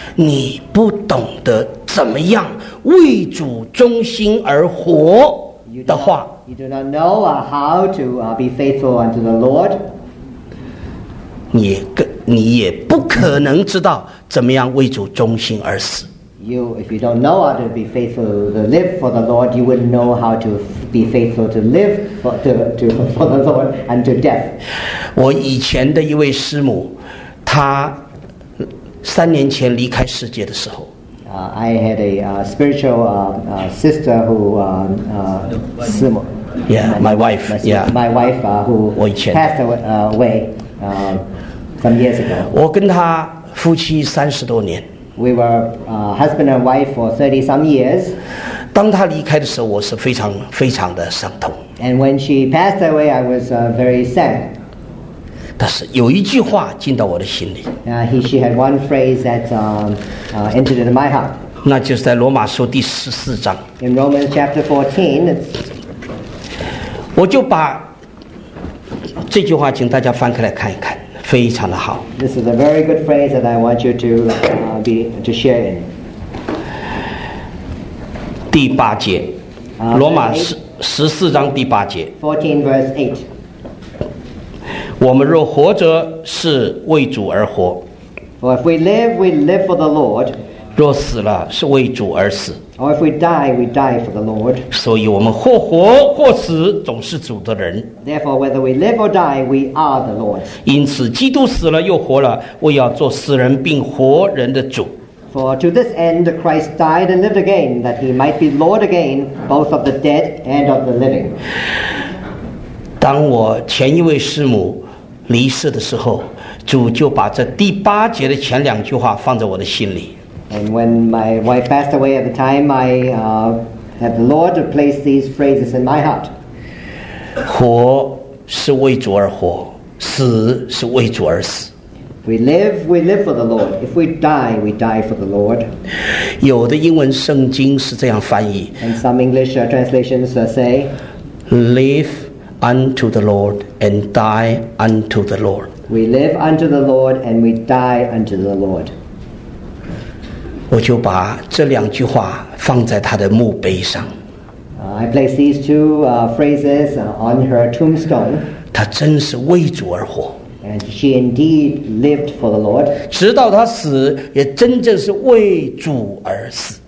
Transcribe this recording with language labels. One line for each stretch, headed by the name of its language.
Chinese: 你不懂得怎么样为主忠心而活的话
English: ，you do not know how to be faithful unto the Lord，
Chinese: 你也不可能知道怎么样为主忠心而死。
English: you, if you don't know how to be faithful to live for the Lord, you wouldn't know how to be faithful to live for the Lord and to death.
Chinese: 我以前的一位师母，她三年前离开世界的时候。
English: I had a spiritual sister who 师母。 Yeah, my wife. Yeah, my wife who
Chinese: 我以前
English: passed away some years ago.
Chinese: 我跟她夫妻三十多年。
English: We were husband and wife for 30 some years.
Chinese: 当她离开的时候，我是非常非常的伤痛。
English: And when she passed away, I was very sad.
Chinese: 但是有一句话进到我的心里。
English: She had one phrase that entered into my heart.
Chinese: 那就是在罗马书第十四章。
English: In Romans chapter 14, it's
Chinese: 我就把这句话请大家翻开来看一看。非常的好。
English: This is a very good phrase that I want you to be to share in.
Chinese: 第八节，罗马十四章第八节。
English: 14 verse 8.
Chinese: 我们若活着，是为主而活。
English: For if we live, we live for the Lord.
Chinese: 若死了，是为主而死。
English: Or if we die, we die for the Lord.
Chinese: 所以我们或活或死，总是主的人。
English: Therefore, whether we live or die, we are the Lord.
Chinese: 因此，基督死了又活了，为要做死人并活人的主。
English: For to this end, Christ died and lived again, that he might be Lord again, both of the dead and of the living.
Chinese: 当我前一位师母离世的时候，主就把这第八节的前两句话放在我的心里。
English: And when my wife passed away at the time, I had the Lord to place these phrases in my heart.
Chinese: 活是为主而活，死是为主而死。
English: We live for the Lord. If we die, we die for the Lord.
Chinese: 有的英文圣经是这样翻译。
English: And some English translations say, Live unto the Lord and die unto the Lord. We live unto the Lord and we die unto the Lord.
Chinese: 我就把这两句话放在他的墓碑上。
English: I place these two phrases on her tombstone.
Chinese: 她真是为主而活。
English: And she indeed lived for the Lord.
Chinese: 直到她死，也真正是为主而死。